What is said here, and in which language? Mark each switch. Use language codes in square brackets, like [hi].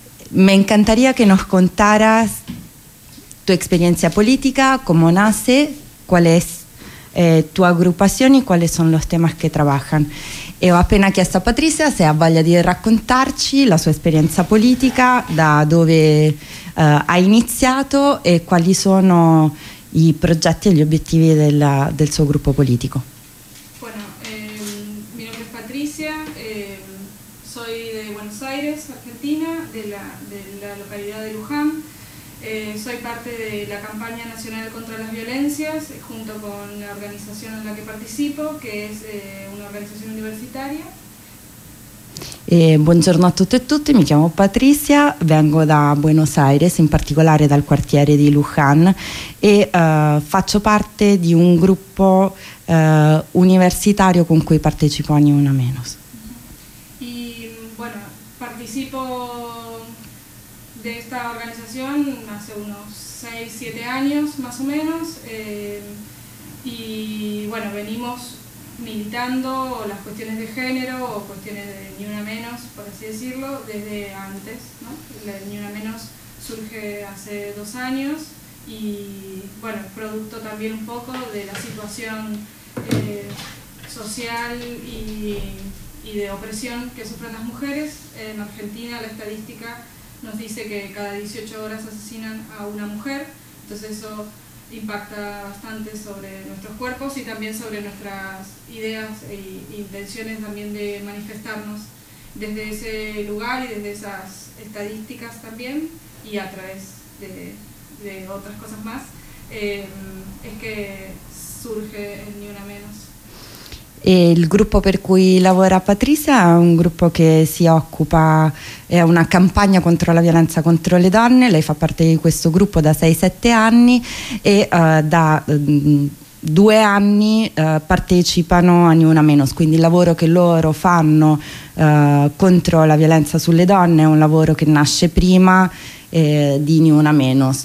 [es] Me encantaría que nos contaras tu experiencia política, cómo nace, cuál es tu agrupación y cuáles son los temas que trabajan. [it] E ho appena chiesto a Patricia se ha voglia di raccontarci la sua esperienza politica, da dove ha iniziato e quali sono i progetti e gli obiettivi del suo gruppo politico. [es] Bueno, mi nombre es Patricia, soy de Buenos Aires, Argentina, de la localidad de Luján. Soy parte de la campaña nacional contra las violencias, junto con la organización en la que participo, que es una organización universitaria. [it] Buongiorno a tutte e tutti, mi chiamo Patricia, vengo da Buenos Aires, in particolare dal quartiere di Luján, e faccio parte di un gruppo universitario con cui partecipo Ni Una Menos. [es] Y bueno, participo de esta organización hace unos 6-7 años más o menos, y bueno, venimos militando las cuestiones de género o cuestiones de Ni Una Menos, por así decirlo, desde antes, ¿no? La Ni Una Menos surge hace 2 años y, bueno, producto también un poco de la situación social y de opresión que sufren las mujeres. En Argentina la estadística nos dice que cada 18 horas asesinan a una mujer, entonces eso impacta bastante sobre nuestros cuerpos y también sobre nuestras ideas e intenciones también de manifestarnos desde ese lugar y desde esas estadísticas también, y a través de otras cosas más, es que surge el Ni Una Menos. [it] E il gruppo per cui lavora Patricia è un gruppo che si occupa, è una campagna contro la violenza contro le donne. Lei fa parte di questo gruppo da 6-7 anni e da 2 anni partecipano a Ni Una Menos, quindi il lavoro che loro fanno contro la violenza sulle donne è un lavoro che nasce prima di Ni Una Menos.